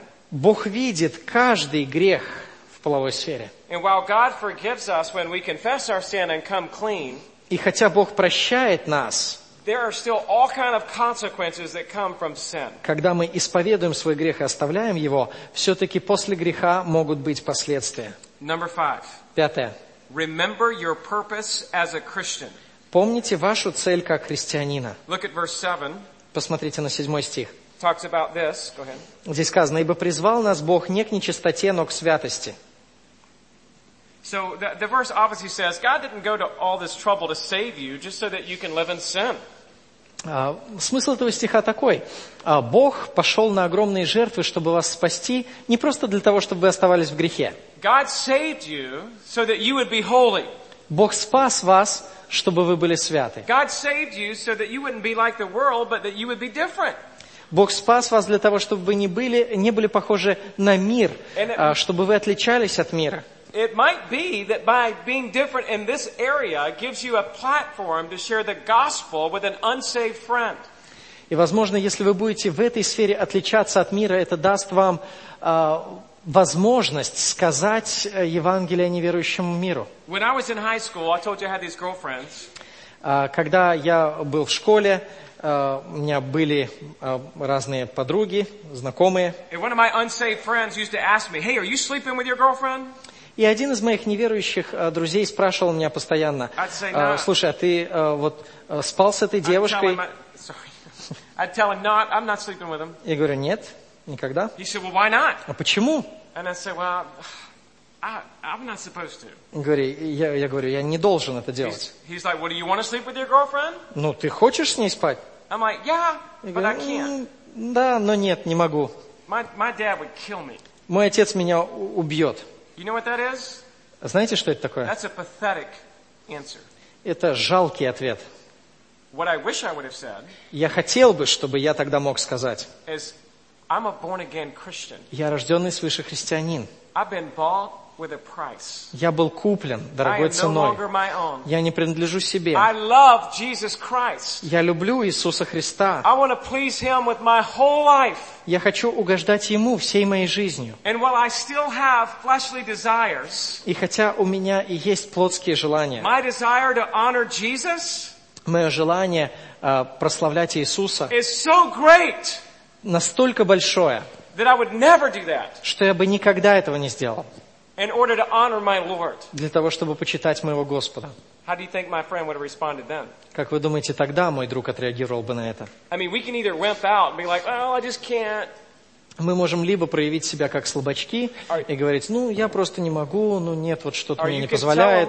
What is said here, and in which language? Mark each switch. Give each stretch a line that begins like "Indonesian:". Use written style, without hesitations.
Russian: Бог видит каждый грех в половой сфере. И пока Бог
English: forgives us when we confess our sin and come clean,
Russian: и хотя Бог прощает нас,
English: there are still all kind of consequences that come from sin.
Russian: Когда мы исповедуем свой грех и оставляем его, все-таки после греха могут быть последствия.
English: Number five.
Russian: Пятое.
English: Remember your purpose as a Christian.
Russian: Помните вашу цель как христианина.
English: Look at verse 7.
Russian: Посмотрите на седьмой стих.
English: Talks about this. Go ahead.
Russian: Здесь сказано, ибо призвал нас Бог не к нечистоте, но к святости.
English: So the verse obviously says God didn't go to all this trouble to save you just so that you can live in sin.
Russian: Смысл этого стиха такой: Бог пошел на огромные жертвы, чтобы вас спасти, не просто для того, чтобы вы оставались в грехе.
English: God saved you so that you would be holy.
Russian: Бог спас вас, чтобы вы были святы.
English: God saved you so that you wouldn't be like the world, but that you would be different.
Russian: Бог спас вас для того, чтобы вы не были похожи на мир, чтобы вы отличались от мира.
English: It might be that by being different in this area gives you a platform to share the gospel with an unsaved friend.
Russian: И возможно, если вы будете в этой сфере отличаться от мира, это даст вам возможность сказать Евангелие неверующему миру.
English: When I was in high school, I told you I had these girlfriends.
Russian: Когда я был в школе, у меня были разные подруги, знакомые. И один из моих
English: unsaved friends used to ask me, "Hey, are you sleeping with your girlfriend?"
Russian: И один из моих неверующих друзей спрашивал меня постоянно: "Слушай, а ты вот спал с этой девушкой?"
English: I'd tell him, "Not, I'm not sleeping with him."
Russian: Я говорю: "Нет, никогда."
English: He said, "Well, why not?"
Russian: А почему?
English: And I said, "Well, I'm not supposed to."
Russian: Я говорю: "Я не должен это делать."
English: He's like, "Well, do you want to sleep with your girlfriend?"
Russian: Ну, ты хочешь с ней спать?
English: I'm like, "Yeah, but I can't."
Russian: Да, но нет, не могу.
English: My dad would kill me.
Russian: Мой отец меня убьет.
English: You know what that is?
Russian: Знаете, что это такое?
English: That's a pathetic answer.
Russian: Это жалкий ответ.
English: What I wish I would have said,
Russian: я хотел бы, чтобы я тогда мог сказать,
English: is, I'm a born again Christian.
Russian: Я рожденный свыше христианин.
English: I've been bought with a price.
Russian: Я был куплен дорогой ценой.
English: I am no longer my own.
Russian: Я не принадлежу себе.
English: I love Jesus Christ.
Russian: Я люблю Иисуса Христа.
English: I want to please him with my whole life.
Russian: Я хочу угождать Ему всей моей жизнью.
English: And while I still have fleshly desires,
Russian: и хотя у меня и есть плотские желания,
English: my desire to honor Jesus,
Russian: мое желание прославлять Иисуса
English: is so great,
Russian: настолько большое,
English: that I would never do that,
Russian: что я бы никогда этого не сделал
English: in order to honor my Lord.
Russian: Для того, чтобы почитать моего Господа.
English: How do you think my friend would have responded then?
Russian: Как вы думаете, тогда мой друг отреагировал бы на это?
English: I mean, we can either wimp out and be like, "Oh, I just can't."
Russian: Мы можем либо проявить себя как слабачки и говорить: "Ну, я просто не могу, ну нет, вот что-то мне не позволяет."